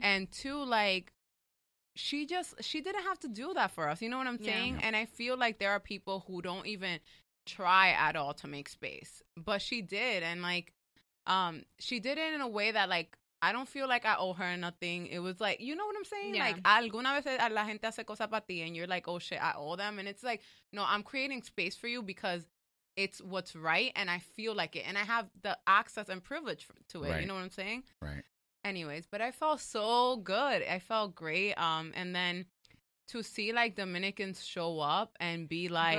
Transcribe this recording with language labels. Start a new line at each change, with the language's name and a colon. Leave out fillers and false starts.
English: And two, like, she didn't have to do that for us. You know what I'm saying? Yeah. And I feel like there are people who don't even try at all to make space. But she did. And, like, she did it in a way that, like, I don't feel like I owe her nothing. It was like, you know what I'm saying? Yeah.
Spanish: Like, alguna vez la gente hace cosas para ti.
English: And you're like, oh, shit, I owe them. And it's like, no, I'm creating space for you because it's what's right, and I feel like it. And I have the access and privilege to it. Right. You know what I'm saying? Right. Anyways, but I felt so good. I felt great. And then to see, like, Dominicans show up and be like,